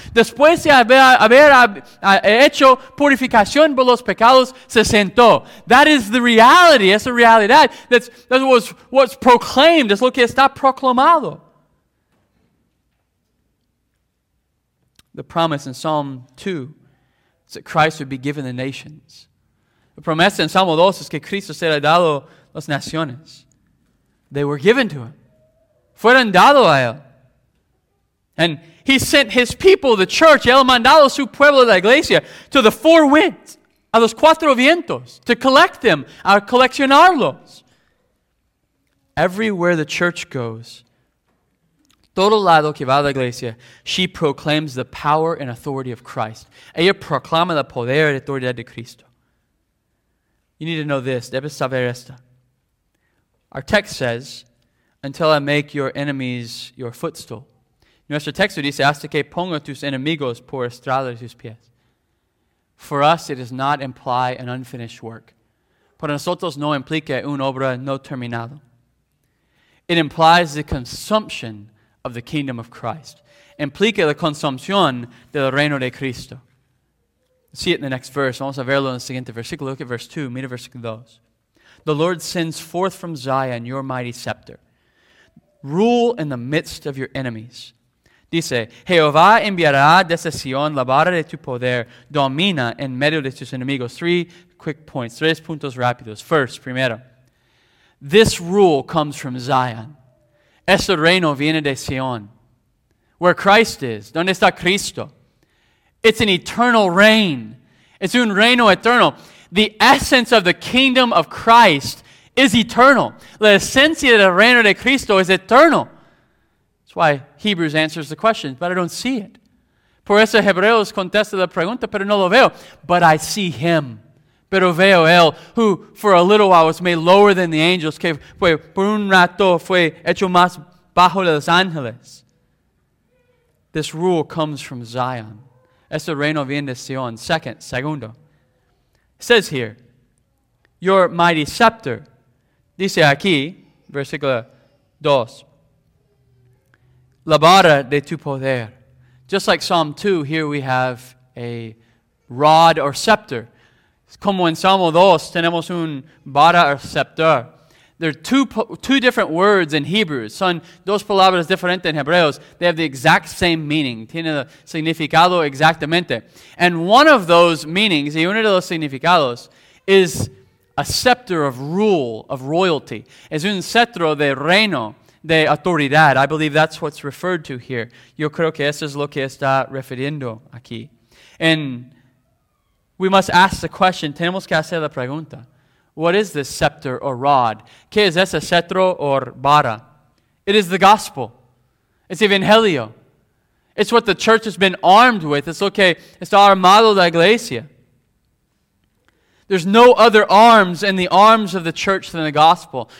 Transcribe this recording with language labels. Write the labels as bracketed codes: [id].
[es] Después de haber hecho purificación por los pecados, se sentó. [en] That is the reality. [es] Es la realidad. [en] That's what's proclaimed. [es] Es lo que está proclamado. [en] The promise in Psalm 2. Is that Christ would be given the nations. [es] The promesa en Salmo 2 es que Cristo será dado las naciones. [en] They were given to him. [es] Fueron dado a él. [en] And he sent his people, the church, [es] él mandado su pueblo, la iglesia, [en] to the four winds, [es] a los cuatro vientos, [en] to collect them, [es] a coleccionarlos. [en] Everywhere the church goes, [es] todo lado que va a la iglesia, [en] she proclaims the power and authority of Christ. [es] Ella proclama el poder y autoridad de Cristo. [en] You need to know this. [es] Debes saber esto. [en] Our text says, until I make your enemies your footstool. [es] Nuestro texto dice, hasta que ponga tus enemigos por estrado de tus pies. [en] For us, it does not imply an unfinished work. [es] Para nosotros no implica una obra no terminada. [en] It implies the consumption of the kingdom of Christ. [es] Implica la consumción del reino de Cristo. [en] See it in the next verse. [es] Vamos a verlo en el siguiente versículo. [en] Look at verse 2. [es] Mira versículo 2. [en] The Lord sends forth from Zion your mighty scepter. Rule in the midst of your enemies. [es] Dice, Jehová enviará desde Sion la vara de tu poder. Domina en medio de tus enemigos. [en] Three quick points. [es] Tres puntos rápidos. [en] First, [es] primero. [en] This rule comes from Zion. [es] Ese reino viene de Sion, [en] where Christ is. [es] ¿Dónde está Cristo? [en] It's an eternal reign. [es] It's un reino eterno. [en] The essence of the kingdom of Christ is eternal. [es] La esencia del reino de Cristo es eternal. [en] That's why Hebrews answers the question, but I don't see it. [es] Por eso Hebreos contesta la pregunta, pero no lo veo. [en] But I see him. [es] Pero veo él, [en] who for a little while was made lower than the angels, [es] que fue, por un rato fue hecho más bajo de los ángeles. [en] This rule comes from Zion. [es] Este reino viene de Sion. Segundo. [en] It says here, your mighty scepter, [es] dice aquí, versículo 2, la vara de tu poder. [en] Just like Psalm 2, here we have a rod or scepter. [es] Como en Salmo 2, tenemos un vara o scepter. [en] There are two different words in Hebrews. [es] Son dos palabras diferentes en Hebreos. [en] They have the exact same meaning. [es] Tiene significado exactamente. [en] And one of those meanings, [es] y uno de los significados, [en] is a scepter of rule, of royalty. [es] Es un cetro de reino, de autoridad. [en] I believe that's what's referred to here. [es] Yo creo que eso es lo que está refiriendo aquí. En [en] We must ask the question, [es] tenemos que hacer la pregunta. [en] What is this scepter or rod? [es] ¿Qué es ese cetro or vara? [en] It is the gospel. It's evangelio. It's what the church has been armed with. It's okay. It's the [es] armado de la iglesia. [en] There's no other arms in the arms of the church than the gospel.